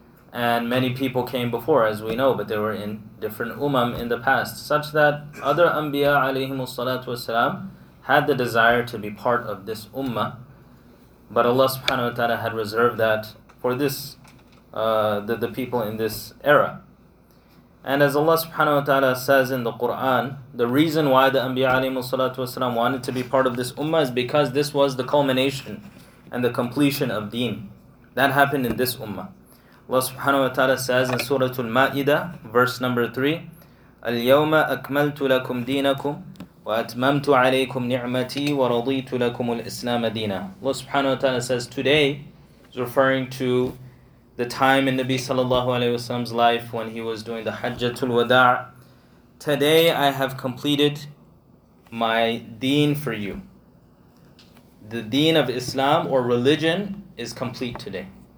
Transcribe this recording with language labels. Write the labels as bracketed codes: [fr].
[en] And many people came before, as we know, but they were in different umam in the past, such that other anbiya alayhim salatu wasalam had the desire to be part of this ummah, but Allah subhanahu wa ta'ala had reserved that for this the people in this era. And as Allah subhanahu wa ta'ala says in the Quran, the reason why the anbiya alayhim salatu wasalam wanted to be part of this ummah is because this was the culmination and the completion of deen that happened in this ummah. Allah subhanahu wa ta'ala says in Surah Al-Ma'idah, verse number 3, [ar] أَلْيَوْمَ أَكْمَلْتُ لَكُمْ دِينَكُمْ وَأَتْمَمْتُ عَلَيْكُمْ نِعْمَتِي وَرَضِيتُ لَكُمُ الْإِسْلَامَ دِينًا. [en] Allah subhanahu wa ta'ala says, today is referring to the time in Nabi sallallahu alayhi wa sallam's life when he was doing the Hajjatul Wada'. Today I have completed my deen for you. The deen of Islam or religion is complete today.